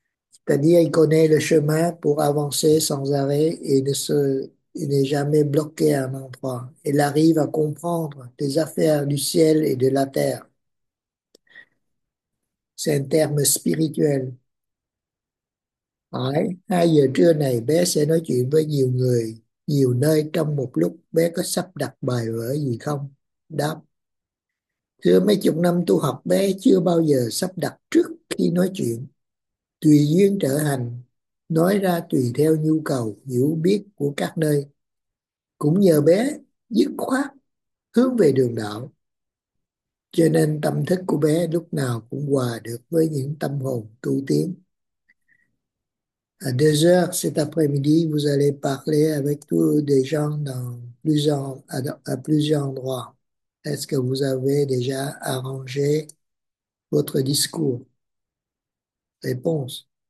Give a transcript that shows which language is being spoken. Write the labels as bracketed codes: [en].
[fr] C'est-à-dire, il connaît le chemin pour avancer sans arrêt et il n'est jamais bloqué à un endroit. Il arrive à comprendre les affaires du ciel et de la terre. C'est un terme spirituel. Ouais. [vi] 2 giờ trưa này bé sẽ nói chuyện với nhiều người, nhiều nơi trong một lúc, bé có sắp đặt bài vở gì không? Đáp, thưa, mấy chục năm tu học bé chưa bao giờ sắp đặt trước khi nói chuyện. Tùy duyên trở hành, nói ra tùy theo nhu cầu hiểu biết của các nơi. Cũng nhờ bé dứt khoát hướng về đường đạo, cho nên tâm thức của bé lúc nào cũng hòa được với những tâm hồn tu tiến. [fr] À 2 giờ cet après-midi, vous allez parler avec tous des gens dans plusieurs, à plusieurs endroits. Est-ce que vous avez déjà arrangé votre discours? Réponse.